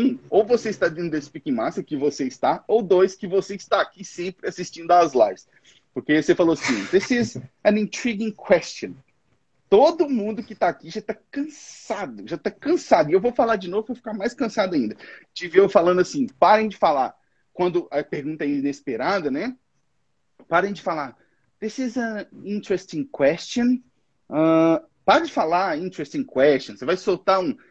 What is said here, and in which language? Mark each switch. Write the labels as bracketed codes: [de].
[pt] ou você está dentro desse Pique Massa, que você está, ou dois, que você está aqui sempre assistindo às lives. Porque você falou assim, [en] this is an intriguing question. [pt] Todo mundo que está aqui já está cansado, já está cansado. E eu vou falar de novo, vou ficar mais cansado ainda. De ver eu falando assim, parem de falar, quando a pergunta é inesperada, né? Parem de falar, [en] this is an interesting question. [pt] Para de falar [en] interesting question, [pt] você vai soltar um...